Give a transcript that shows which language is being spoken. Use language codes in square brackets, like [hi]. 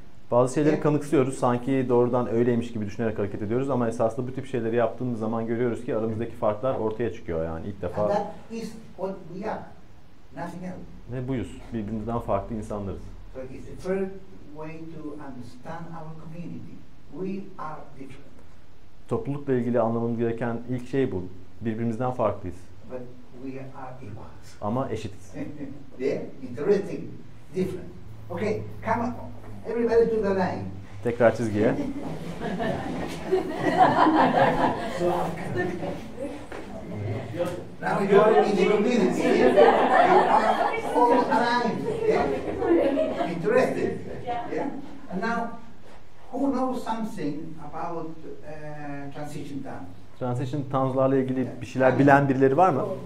[tr] Bazı şeyleri kanıksıyoruz, sanki doğrudan öyleymiş gibi düşünerek hareket ediyoruz ama esasında bu tip şeyleri yaptığımız zaman görüyoruz ki aramızdaki farklar ortaya çıkıyor yani ilk defa. [en] And that is what we are, nothing else. [tr] Ne buyuz, birbirimizden farklı insanlarız. [en] So it's the third way to understand our community. We are different. [tr] Toplulukla ilgili anlamamız gereken ilk şey bu. Birbirimizden farklıyız. [en] But we are equals. [tr] Ama eşitiz. [en] Yeah, interesting, different. Okay, come on. Everybody to the line. [tr] Tekrar çizgiye. [en] Now you are in the community. You are all aligned. Yeah? Interested. Yeah. And now, who knows something about transition dance? [tr] Transition tanzlarla ilgili bir şeyler bilen birileri var mı?